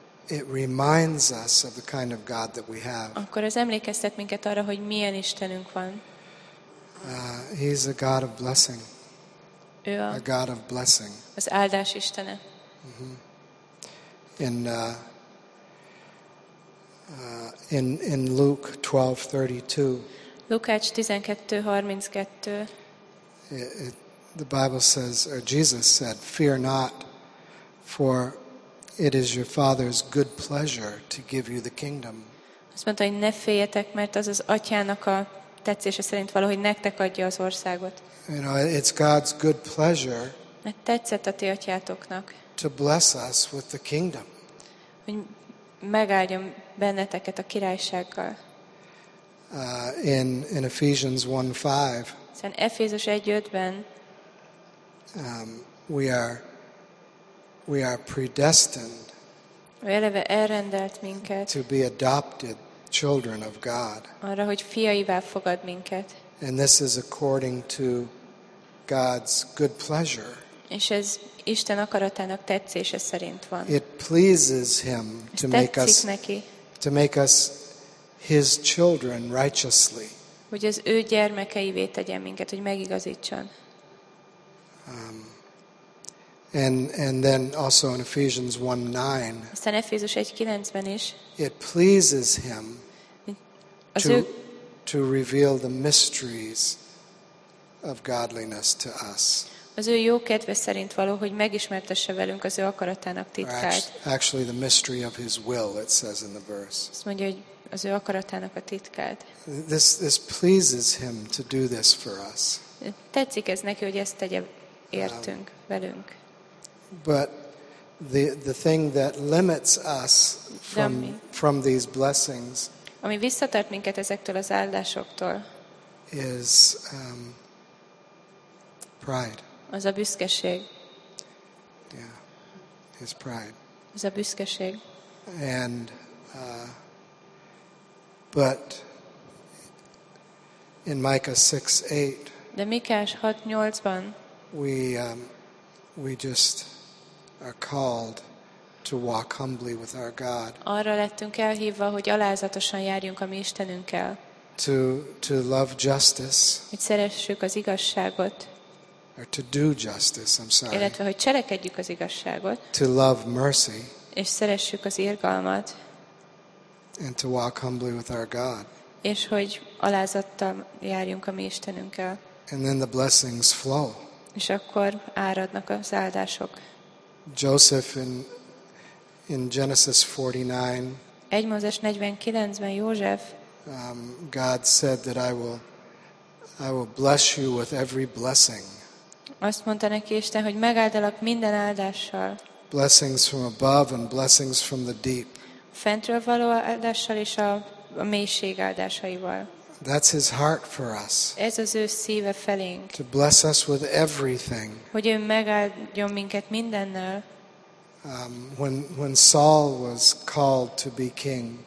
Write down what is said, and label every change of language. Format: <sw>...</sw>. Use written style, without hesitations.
<en>It reminds us of the kind of God that we have.</en> <hu>Akkor ez emlékeztet minket arra, hogy milyen Istenünk van.</hu> <en>He's a God of blessing.</en> <hu>Ő</hu> <en>a God of blessing.</en> <hu>Az áldás Istene. Mm-hmm.</hu> <en>In Luke 12:32.</en> <hu>Lukács 12:32.</hu> <en>The Bible says, or Jesus said, "Fear not, for it is your Father's good pleasure to give you the kingdom."</en> <hu>Azt mondta, hogy ne féljetek, mert az az Atyának a tetszése szerint való, hogy nektek adja az országot.</hu> <en>You know, it's God's good pleasure.</en> <hu>Mert tetszett a ti atyátoknak.</hu> <en>To bless us with the kingdom.</en> <hu>Hogy megáldjon benneteket a királysággal.</hu> <en>In Ephesians 1:5.</en> <hu>Szent Efézus 1:5-ben.</hu> <en>We are predestined.</en> <hu>Ő eleve elrendelt minket.</hu> <en>To be adopted children of God.</en> <hu>Arra, hogy fiaivá fogad minket.</hu> <en>And this is according to God's good pleasure.</en> <hu>És ez Isten akaratának tetszése szerint van.</hu> <en>It pleases him to make us</en> <hu>neki.</hu> <en>To make us his children righteously.</en> <hu>Hogy az ő gyermekeivé tegyen minket, hogy megigazítson.</hu> <en>And then also in Ephesians 1:9.</en> <hu>Aztán Efézus 1:9-ben is.</hu> <en>It pleases him to reveal the mysteries of godliness to us.</en> <hu>Az ő jó kedve szerint való, hogy megismertesse velünk az ő akaratának titkát.</hu> <en>Actually the mystery of his will, it says in the verse.</en> <hu>Azt mondja, hogy az ő akaratának a titkát.</hu> <en>This pleases him to do this for us.</en> <hu>Tetszik ez neki, hogy ezt tegye értünk, velünk.</hu> <en>But the thing that limits us from these blessings,</en> <hu>ami visszatart minket ezektől az áldásoktól,</hu> <en>is pride.</en> <hu>Az a büszkeség.</hu> <en>Yeah, is pride.</en> <hu>Az a büszkeség.</hu> <en>And but in Micah 6:8.</en> <hu>De Mikás 6:8-ban.</hu> <en>We just are called to walk humbly with our God.</en> <hu>Arra lettünk elhívva, hogy alázatosan járjunk a mi Istenünkkel.</hu> <en>To love justice.</en> <hu>Hogy szeressük az igazságot.</hu> <en>Or to do justice, I'm sorry.</en> <hu>Illetve, hogy cselekedjük az igazságot.</hu> <en>To love mercy.</en> <hu>És szeressük az irgalmat.</hu> <en>And to walk humbly with our God.</en> <hu>És hogy alázattal járjunk a mi Istenünkkel.</hu> <en>And then the blessings flow.</en> <hu>És akkor áradnak az áldások.</hu> <en>Joseph in Genesis 49.</en> <hu>1 Mózes 49-ben József.</hu> <en>God said that I will bless you with every blessing.</en> <hu>Azt mondta neki Isten, hogy megáldalak minden áldással.</hu> <en>Blessings from above and blessings from the deep.</en> <hu>Fentről való áldással és a mélység áldásaival.</hu> <en>That's his heart for us.</en> <hu>Ez az ő szíve felénk.</hu> <en>To bless us with everything.</en> <hu>Hogy ő megáldjon minket mindennel.</hu> <en>When Saul was called to be king.</en>